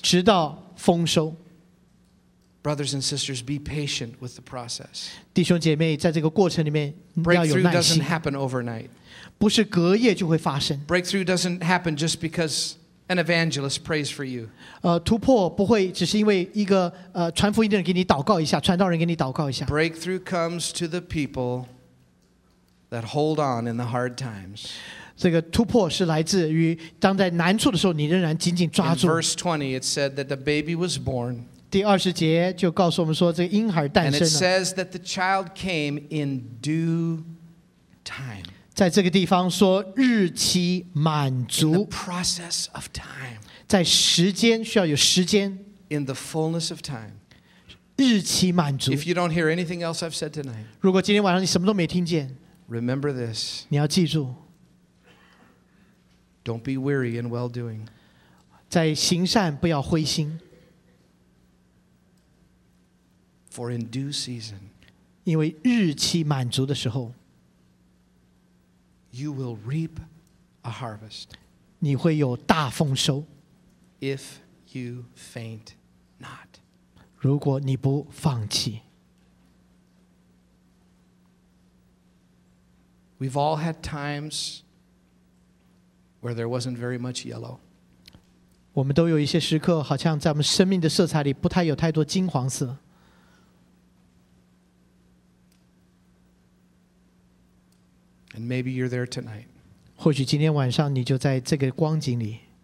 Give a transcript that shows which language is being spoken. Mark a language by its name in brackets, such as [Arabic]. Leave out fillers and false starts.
[Chinese] 直到丰收。 [English] Brothers and sisters, be patient with the process. [Chinese] 弟兄姐妹，在这个过程里面要有耐心。 [English] Breakthrough doesn't happen overnight. [Chinese] 不是隔夜就会发生。 [English] Breakthrough doesn't happen just because an evangelist prays for you. [Chinese] 突破不会只是因为一个传福音的人给你祷告一下，传道人给你祷告一下。 [English] Breakthrough comes to the people that hold on in the hard times. [Chinese] 这个突破是来自于当在难处的时候，你仍然紧紧抓住。 [English] In verse 20, it said that the baby was born. [Chinese] 第二十节就告诉我们说，这个婴孩诞生了。 [English] And it says that the child came in due time. [Chinese] 在这个地方说日期满足。 [English] In the process of time. [Chinese] 在时间需要有时间。 [English] In the fullness of time. [Chinese] 日期满足。 [English] If you don't hear anything else I've said tonight. [Chinese] 如果今天晚上你什么都没听见。 [English] Remember this. [Chinese] 你要记住。 [English] Don't be weary in well doing. [Chinese] 在行善不要灰心。 [English] For in due season, [Chinese] 因为日期满足的时候 [English] you will reap a harvest. [Chinese] 你会有大丰收 [English] if you faint not. [Chinese] 如果你不放弃 [English] we've all had times where there wasn't very much yellow. [Chinese] 我们都有一些时刻，好像在我们生命的色彩里不太有太多金黄色。 [English] And maybe you're there tonight. [Chinese] 或许今天晚上你就在这个光景里。